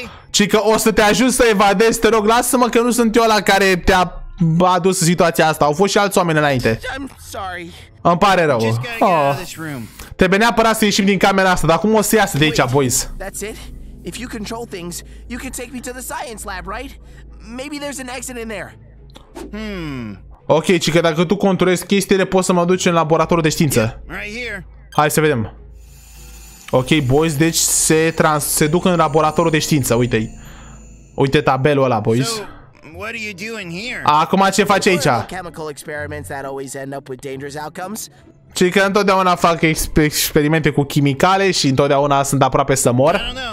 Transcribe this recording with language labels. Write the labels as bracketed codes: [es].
[ro] Ci că o să te ajut să evadezi, te rog, lasă-mă că nu sunt eu ăla care te-a adus în situația asta. Au fost și alți oameni înainte. Îmi pare rău. Trebuie neapărat să ieșim din camera asta, dar cum o să iasă de aici, boys? [en] If you control things, you can take me to the science lab, right? Maybe there's an exit in there. [ro] Ok, ci că dacă tu controlezi chestiile, poți să mă duci în laboratorul de știință. [en] Right here. [ro] Hai să vedem. Ok, boys, deci se duc în laboratorul de știință, uite-i. Uite tabelul ăla, boys. [en] What are you doing here? [ro] Acum ce faci aici? [en] Chemical experiments that always end up with dangerous outcomes. [ro] Ci că întotdeauna fac experimente cu chimicale și întotdeauna sunt aproape să mor.